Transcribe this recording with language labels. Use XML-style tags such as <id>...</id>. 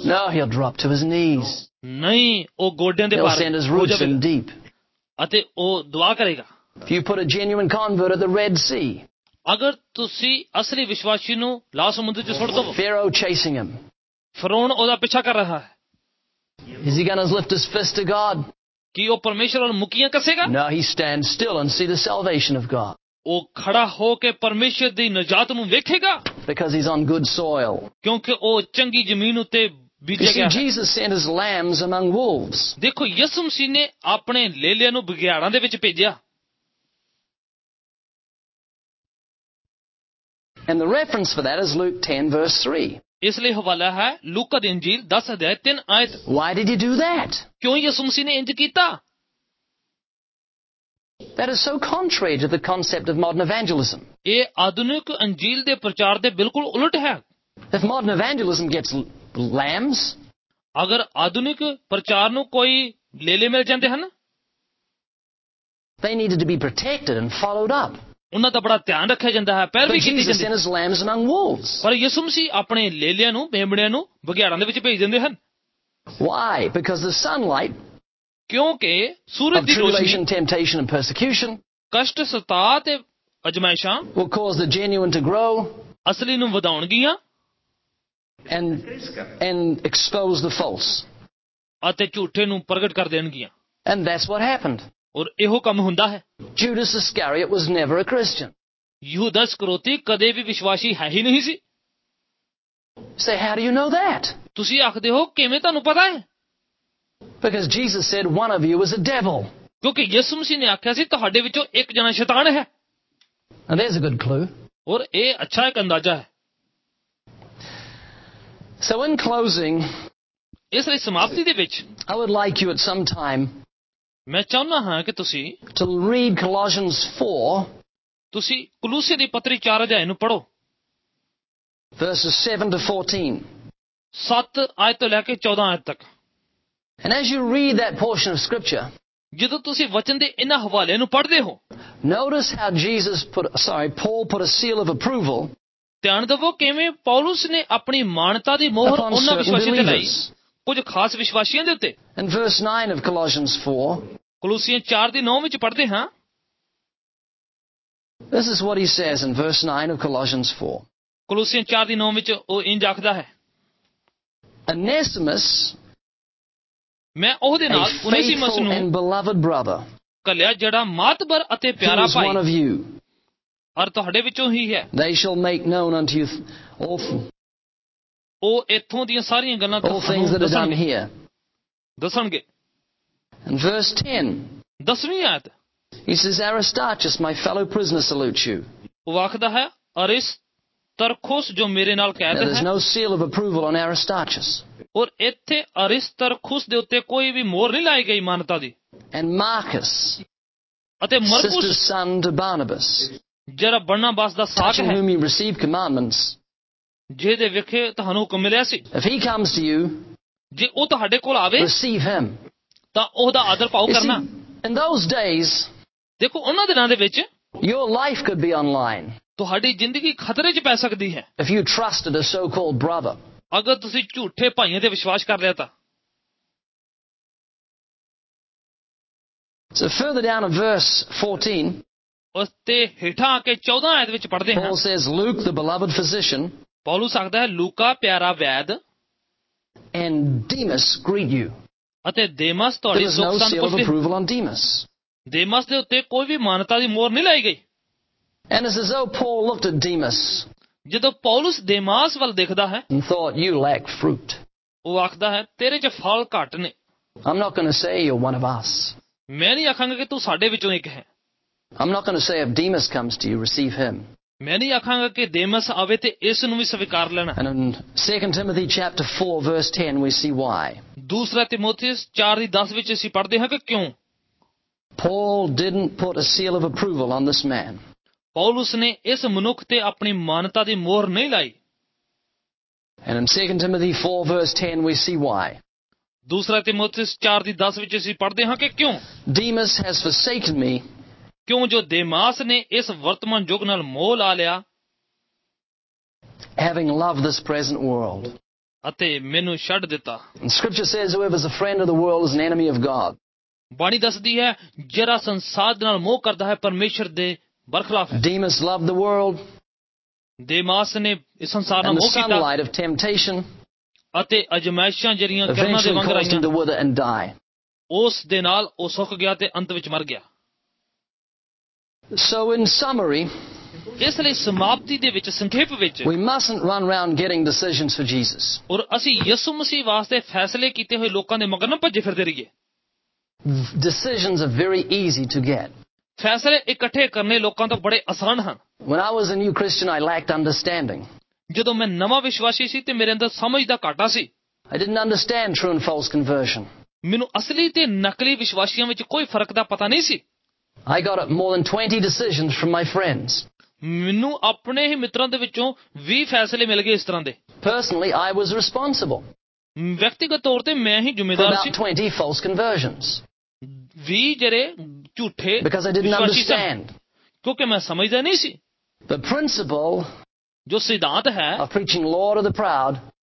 <en>No, he'll drop to his knees,</en> <pa>ਨਹੀਂ ਉਹ ਗੋਡਿਆਂ ਦੇ ਭਾਰ</pa> <en>send his roots in deep,</en> <pa>ਅਤੇ ਉਹ ਦੁਆ ਕਰੇਗਾ.</pa> <en>If you put a genuine convert at the Red Sea,</en> <pa>ਅਗਰ ਤੁਸੀਂ ਅਸਲੀ ਵਿਸ਼ਵਾਸੀ ਨੂੰ ਲਾਲ ਸਮੁੰਦਰ ਚ ਸੁੱਟ ਦੋ,</pa> <en>Pharaoh chasing him,</en> <pa>ਫਰਾਉਨ ਉਹਦਾ ਪਿੱਛਾ ਕਰ ਰਿਹਾ ਹੈ,</pa> <en>is he gonna lift his fist to God,</en> <pa>ਕੀ ਉਹ ਪਰਮੇਸ਼ਰ ਨੂੰ ਮੁਕੀਆਂ ਕਸੇਗਾ?</pa> <en>No, he stands still and see the salvation of God,</en> <pa>ਉਹ ਖੜਾ ਹੋ ਕੇ ਪਰਮੇਸ਼ਰ ਦੀ ਨਜਾਤ ਨੂੰ ਵੇਖੇਗਾ.</pa> <en>Because he's on good soil,</en> <pa>ਕਿਉਂਕਿ ਉਹ ਚੰਗੀ ਜ਼ਮੀਨ ਉੱਤੇ ਬੀਜਿਆ ਗਿਆ ਹੈ.</pa> <en>Jesus sent his lambs among wolves,</en> <pa>ਦੇਖੋ ਯਿਸੂ ਮਸੀਹ ਨੇ ਆਪਣੇ ਲੇਲਿਆਂ ਨੂੰ ਬਗਿਆੜਾਂ ਦੇ ਵਿੱਚ ਭੇਜਿਆ.</pa> <en>And the reference for that is Luke 10 verse 3.</en> <pa>ਇਸ ਲਈ ਹਵਾਲਾ ਹੈ ਲੂਕਾ ਦੀ ਇੰਜੀਲ 10 ਅਧਿਆਇ 3 ਆਇਤ.</pa> <en>Why did he do that?</en> <pa>ਕਿਉਂ ਯਿਸੂ ਮਸੀਹ ਨੇ ਇੰਜ ਕੀਤਾ?</pa> <en>That is so contrary to the concept of modern evangelism.</en> <pa>ਇਹ ਆਧੁਨਿਕ ਅੰਜੀਲ ਦੇ ਪ੍ਰਚਾਰ ਦੇ ਬਿਲਕੁਲ ਉਲਟ ਹੈ.</pa> <en>If modern evangelism gets lambs,</en> <pa>ਅਗਰ ਆਧੁਨਿਕ ਪ੍ਰਚਾਰ ਨੂੰ ਕੋਈ ਲੇਲੇ ਮਿਲ ਜਾਂਦੇ ਹਨ,</pa> <en>they needed to be protected and followed up.</en> <pa>ਉਹਨਾਂ ਦਾ ਬੜਾ ਧਿਆਨ ਰੱਖਿਆ ਜਾਂਦਾ ਹੈ, ਪੈਰ ਵੀ ਕੀਤੀ ਜਾਂਦੀ ਹੈ.</pa> <en>Lambs among wolves.</en> <pa>ਪਰ ਯਿਸੂ ਮਸੀਹ ਆਪਣੇ ਲੇਲਿਆਂ ਨੂੰ ਮੇਮੜਿਆਂ ਨੂੰ ਬਘਿਆੜਾਂ ਦੇ ਵਿੱਚ ਭੇਜ ਦਿੰਦੇ ਹਨ.</pa> <en>Why? Because the sunlight,</en> <pa>ਕਿਉਂਕਿ ਸੂਰਜ ਦੀ ਰੋਸ਼ਨੀ,</pa> <en>temptation and persecution,</en> <pa>ਕਸ਼ਟ ਸਤਾ ਤੇ ਅਜਮਾਇਸ਼ਾਂ,</pa> <en>will cause the genuine to grow,</en> <pa>ਅਸਲੀ ਨੂੰ ਵਧਾਉਣਗੀਆਂ,</pa> <en>and expose the false,</en> <pa>ਅਤੇ ਝੂਠੇ ਨੂੰ ਪ੍ਰਗਟ ਕਰ ਦੇਣਗੀਆਂ.</pa> <en>And that's what happened.</en> <pa>ਔਰ ਇਹੋ ਕੰਮ ਹੁੰਦਾ ਹੈ.</pa> <en>Judas Iscariot was never a Christian.</en> <pa>ਯੂਦਾਸ ਇਸਕਰੀਓਤੀ ਕਦੇ ਵੀ ਵਿਸ਼ਵਾਸੀ ਹੈ ਹੀ ਨਹੀਂ ਸੀ.</pa> <en>Say, how do you know that?</en> <pa>ਤੁਸੀਂ ਆਖਦੇ ਹੋ ਕਿਵੇਂ ਤੁਹਾਨੂੰ ਪਤਾ ਹੈ?</pa> <en>Because Jesus said one of you was a devil.</en> <pa>ਕਿਉਂਕਿ ਯਿਸੂ ਮਸੀਹ ਨੇ ਆਖਿਆ ਸੀ ਤੁਹਾਡੇ ਵਿੱਚੋਂ ਇੱਕ ਜਣਾ ਸ਼ੈਤਾਨ ਹੈ.</pa> <en>And there's a good clue.</en> <pa>ਔਰ ਇਹ ਅੱਛਾ ਇੱਕ ਅੰਦਾਜ਼ਾ ਹੈ.</pa> <en>So in closing,</en> <pa>ਇਸ ਲਈ ਸਮਾਪਤੀ ਦੇ ਵਿੱਚ,</pa> <en>I would like you at some time,</en> <pa>ਮੈਂ ਚਾਹੁੰਦਾ ਹਾਂ ਕਿ ਤੁਸੀਂ,</pa> <en>to read Colossians 4,</en> <pa>ਤੁਸੀਂ ਕੁਲੂਸੀ ਦੀ ਪੱਤਰੀ 4 ਅਧਿਆਇ ਨੂੰ ਪੜ੍ਹੋ,</pa> <en>verses 7 to</en> <pa>14, 7 ਆਇਤ ਤੋਂ ਲੈ ਕੇ 14 ਆਇਤ ਤੱਕ.</pa> <en>And as you read that portion of scripture,</en> <pa>ਜਦੋਂ ਤੁਸੀਂ ਵਚਨ ਦੇ ਇਹਨਾਂ ਹਵਾਲਿਆਂ ਨੂੰ ਪੜ੍ਹਦੇ ਹੋ,</pa> <en>notice how Jesus put, sorry, Paul put a seal of approval,</en> <pa>ਧਿਆਨ ਦਿਵੋ ਕਿਵੇਂ ਪੌਲਸ ਨੇ ਆਪਣੀ ਮਾਨਤਾ ਦੀ ਮੋਹਰ ਉਹਨਾਂ ਵਿਸ਼ਵਾਸੀਆਂ ਤੇ ਲਾਈ, ਕੁਝ ਖਾਸ ਵਿਸ਼ਵਾਸੀਆਂ ਦੇ ਉੱਤੇ.</pa> <en>In verse 9 of Colossians 4,</en> <pa>ਕੁਲੂਸੀਆਂ 4 ਦੇ 9 ਵਿੱਚ ਪੜ੍ਹਦੇ ਹਾਂ.</pa> <en>This is what he says in verse 9 of Colossians 4.</en> <pa>ਕੁਲੂਸੀਆਂ 4 ਦੇ 9 ਵਿੱਚ ਉਹ ਇੰਜ ਆਖਦਾ ਹੈ,</pa> <en>Onesimus,</en> <pa>ਮੈਂ ਉਹਦੇ ਨਾਲ ਉਨੇਸੀਮਸ ਨੂੰ,</pa> <en>and beloved brother,</en> <pa>ਕੱਲਿਆ ਜਿਹੜਾ ਮਾਤਬਰ ਅਤੇ ਪਿਆਰਾ ਭਾਈ,</pa> <en>one of you,</en> <pa>ਔਰ ਤੁਹਾਡੇ ਵਿੱਚੋਂ ਹੀ ਹੈ.</pa> <en>They shall make known unto you all,</en> <pa>ਉਹ ਇੱਥੋਂ ਦੀਆਂ ਸਾਰੀਆਂ ਗੱਲਾਂ ਦੱਸਣਗੇ. ਦੱਸਣਗੇ.</pa> <en>And verse 10,</en> <pa>ਦਸਵੀਂ ਆਇਤ,</pa> <en>he says, Aristarchus, my fellow prisoner, salutes you.</en> <pa>ਉਹ ਆਖਦਾ ਹੈ ਅਰਿਸਤਰਖੁਸ ਜੋ ਮੇਰੇ ਨਾਲ ਕੈਦ ਹੈ.</pa> <en>There is no seal of approval on Aristarchus.</en> <pa>ਔਰ ਇੱਥੇ ਅਰਿਸਤਰਖੁਸ ਦੇ ਉੱਤੇ ਕੋਈ ਵੀ ਮੋਹਰ ਨਹੀਂ ਲਾਈ ਗਈ ਮਾਨਤਾ ਦੀ.</pa> <en>And Marcus,</en> <pa>ਅਤੇ Markus,</pa> <en>sister's son to Barnabas,</en> <pa>ਜਿਹੜਾ ਬਰਨਬਾਸ ਦਾ ਸਾਥ ਹੈ,</pa> <en>whom he received commandments,</en> <pa>ਜਿਹਦੇ ਵਿਖੇ ਤੁਹਾਨੂੰ ਹੁਕਮ ਮਿਲਿਆ ਸੀ,</pa> <en>if he comes to you,</en> <pa>ਜੇ ਉਹ ਤੁਹਾਡੇ ਕੋਲ ਆਵੇ,</pa> <en>receive him,</en> <pa>ਤਾਂ ਉਹਦਾ ਆਦਰ ਪਾਓ ਕਰਨਾ.</pa> <en>In those days,</en> <pa>ਦੇਖੋ ਉਹਨਾਂ ਦਿਨਾਂ ਦੇ ਵਿੱਚ,</pa> <en>your life could be online,</en> <pa>ਤੁਹਾਡੀ ਜ਼ਿੰਦਗੀ ਖਤਰੇ 'ਚ ਪੈ ਸਕਦੀ ਹੈ,</pa> <en>if you trust the so-called brother,</en> <pa>ਅਗਰ ਤੁਸੀਂ ਝੂਠੇ ਭਾਈਆਂ ਤੇ ਵਿਸ਼ਵਾਸ ਕਰ ਲਿਆ ਤਾਂ.</pa> <en>So further down in verse 14,</en> <pa>ਉਸਤੇ ਹੇਠਾਂ ਆ ਕੇ 14 ਆਇਤ ਵਿੱਚ ਪੜ੍ਹਦੇ ਹਾਂ,</pa> <en>Paul says, Luke, the beloved physician,</en> <pa>Paulus ਆਖਦਾ ਹੈ ਲੂਕਾ ਪਿਆਰਾ ਵੈਦ,</pa> <en>and Demas greet you,</en> <pa>ਅਤੇ ਦੇਮਸ ਤੁਹਾਡੀ ਸੁਖ ਸੰਤ ਕੋਲ</pa> <en>approval on Demas,</en> <pa>ਦੇਮਸ ਦੇ ਉੱਤੇ ਕੋਈ ਵੀ ਮਾਨਤਾ ਦੀ ਮੋਹਰ ਨਹੀਂ ਲਾਈ ਗਈ.</pa> <en>And as though Paul looked at Demas,</en> <pa>ਜਦੋਂ ਪੌਲਸ ਦੇਮਾਸ ਵੱਲ ਦੇਖਦਾ ਹੈ,</pa> <en>and thought, you lack fruit,</en> <pa>ਉਹ ਆਖਦਾ ਹੈ ਤੇਰੇ 'ਚ ਫਲ ਘੱਟ ਨੇ.</pa> <en>I'm not going to say you're one of us,</en> <pa>ਮੈਂ ਨਹੀਂ ਆਖਾਂਗਾ ਕਿ ਤੂੰ ਸਾਡੇ ਵਿੱਚੋਂ ਇੱਕ ਹੈ.</pa> <en>I'm not going to say if Demas comes to you, receive him,</en> <pa>ਮੈਂ ਨਹੀਂ ਆਖਾਂਗਾ ਕਿ ਦੇਮਸ ਆਵੇ ਤੇ ਇਸ ਨੂੰ ਵੀ ਸਵੀਕਾਰ ਲੈਣਾ.</pa> <en>And in 2 Timothy chapter 4 verse 10 we see why.</en> <pa>ਦੂਸਰਾ ਤਿਮੋਥੀਸ 4 ਦੀ 10 ਵਿੱਚ ਅਸੀਂ ਪੜ੍ਹਦੇ ਹਾਂ ਕਿ ਕਿਉਂ</pa> <en>Paul didn't put a seal of approval on this man.</en> <pa>Paulus ਨੇ ਇਸ ਮਨੁੱਖ ਤੇ ਆਪਣੀ ਮਾਨਤਾ ਦੀ ਮੋਹਰ ਨਹੀਂ ਲਾਈ.</pa> <en>And in 2 Timothy 4 verse 10 we see why.</en> <pa>ਦੂਸਰਾ ਤਿਮੋਥੀਸ 4 ਦੀ 10 ਵਿੱਚ ਅਸੀਂ ਪੜ੍ਹਦੇ ਹਾਂ ਕਿ ਕਿਉਂ</pa> <en>Demas has forsaken me,</en> <pa>ਕਿਉਂ ਜੋ ਦੇਮਾਸ ਨੇ ਇਸ ਵਰਤਮਾਨ ਯੁੱਗ ਨਾਲ ਮੋਹ ਲਾ ਲਿਆ,</pa> <en>having loved this present world,</en> <pa>ਅਤੇ ਮੈਨੂੰ ਛੱਡ ਦਿੱਤਾ.</pa> <en>Scripture says, whoever is a friend of the world is an enemy of God.</en> <pa>ਬਾਣੀ ਦੱਸਦੀ ਹੈ ਜਿਹੜਾ ਸੰਸਾਰ ਨਾਲ ਮੋਹ ਕਰਦਾ ਹੈ ਪਰਮੇਸ਼ਰ ਦੇ ਬਰਖਲਾਫ ਹੈ.</pa> <en>Demas loved the world,</en> <pa>ਦੇਮਾਸ ਨੇ ਇਸ ਸੰਸਾਰ ਨਾਲ ਮੋਹ ਕੀਤਾ,</pa> <en>and the sunlight of temptation,</en> <pa>ਅਤੇ ਅਜਮਾਇਸ਼ਾਂ ਜਿਹੜੀਆਂ ਕਰਨਾ ਦੇ ਵਾਂਗ ਰਹੀਆਂ, ਉਸ ਦੇ ਨਾਲ ਉਹ ਸੁੱਕ ਗਿਆ ਤੇ ਅੰਤ ਵਿੱਚ ਮਰ ਗਿਆ.</pa> <en>So in summary,</en> <pa>ਇਸ ਲਈ ਸਮਾਪਤੀ ਦੇ ਵਿੱਚ ਸੰਖੇਪ ਵਿੱਚ,</pa> <en>we mustn't run around getting decisions for Jesus.</en> <pa>ਔਰ ਅਸੀਂ ਯਿਸੂ ਮਸੀਹ ਵਾਸਤੇ ਫੈਸਲੇ ਕੀਤੇ ਹੋਏ ਲੋਕਾਂ ਦੇ ਮਗਰ ਨਾ ਭੱਜੇ ਫਿਰਦੇ ਰਹੀਏ.</pa> <en>Decisions are very easy to get.</en> <pa>ਫੈਸਲੇ ਇਕੱਠੇ ਕਰਨੇ ਲੋਕਾਂ ਤੋਂ ਬੜੇ ਆਸਾਨ ਹਨ.</pa> <en>When I was a new Christian, I lacked understanding.</en> <pa>ਜਦੋਂ ਮੈਂ ਨਵਾਂ ਵਿਸ਼ਵਾਸੀ ਸੀ ਤੇ ਮੇਰੇ ਅੰਦਰ ਸਮਝ ਦਾ ਘਾਟਾ ਸੀ.</pa> <en>I didn't understand true and false conversion.</en> <pa>ਮੈਨੂੰ ਅਸਲੀ ਤੇ ਨਕਲੀ ਵਿਸ਼ਵਾਸੀਆਂ ਵਿੱਚ ਕੋਈ ਫਰਕ ਦਾ ਪਤਾ ਨਹੀਂ ਸੀ.</pa> <en>I got up more than 20 decisions from my friends.</en> <pa>ਮੈਨੂੰ ਆਪਣੇ ਹੀ ਮਿੱਤਰਾਂ ਦੇ ਵਿੱਚੋਂ 20 ਫੈਸਲੇ ਮਿਲ ਗਏ ਇਸ ਤਰ੍ਹਾਂ ਦੇ.</pa> <en>Personally, I was responsible.</en> <pa>ਵਿਅਕਤੀਗਤ ਤੌਰ ਤੇ ਮੈਂ ਹੀ ਜ਼ਿੰਮੇਵਾਰ ਸੀ.</pa> <en>20 false conversions.</en> <pa>20 ਜਿਹੜੇ ਝੂਠੇ.</pa> <en>Because I didn't understand.</en> <pa>ਕਿਉਂਕਿ ਮੈਂ ਸਮਝਦਾ ਨਹੀਂ ਸੀ.</pa> <en>The principle.</en> <pa>ਜੋ ਸਿਧਾਂਤ ਹੈ.</pa> <en>Of preaching law to the proud.</en>